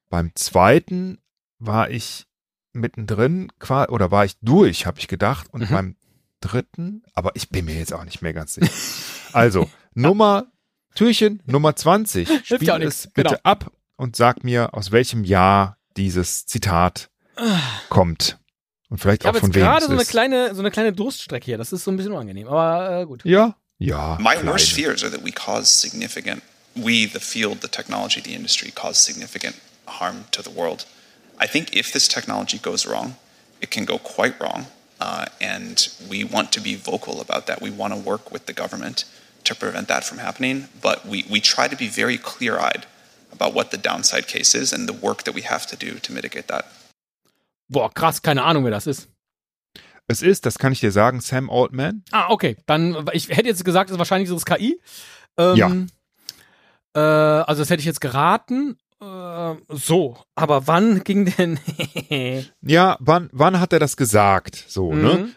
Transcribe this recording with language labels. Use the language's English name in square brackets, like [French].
[German] Beim zweiten war ich mittendrin, oder war ich durch, habe ich gedacht, und beim dritten, aber ich bin mir jetzt auch nicht mehr ganz sicher. Also, Türchen Nummer 20, spiel es bitte ab und sag mir, aus welchem Jahr dieses Zitat kommt. Und vielleicht auch von wem es ist. Ich habe jetzt gerade so eine kleine Durststrecke hier, das ist so ein bisschen unangenehm, aber gut. Ja, ja. [English] My worst fears are that we cause significant, we the field, the technology, the industry, cause significant harm to the world. I think if this technology goes wrong, it can go quite wrong. And we want to be vocal about that. We want to work with the government to prevent that from happening. But we try to be very clear-eyed about what the downside case is and the work that we have to do to mitigate that. [German] Boah, krass, keine Ahnung, wer das ist. Es ist, das kann ich dir sagen, Sam Altman. Ah, okay. Dann, ich hätte jetzt gesagt, es ist wahrscheinlich so das KI. Ja. Also das hätte ich jetzt geraten. So, aber wann ging denn? Ja, wann hat er das gesagt? So, mhm. ne?